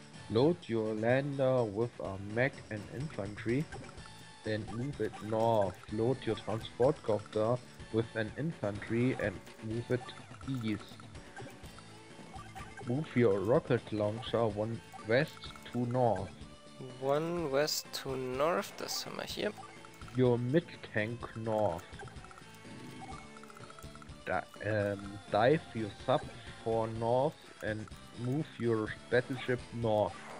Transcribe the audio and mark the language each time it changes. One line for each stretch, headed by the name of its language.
English: Load your lander with a mech and infantry, then move it north. Load your transport copter with an infantry and move it east. Move your rocket launcher 1 west to north. 1 west to north,
German: das haben wir hier.
English: Your mid tank north. Dive your sub for north and move your battleship north.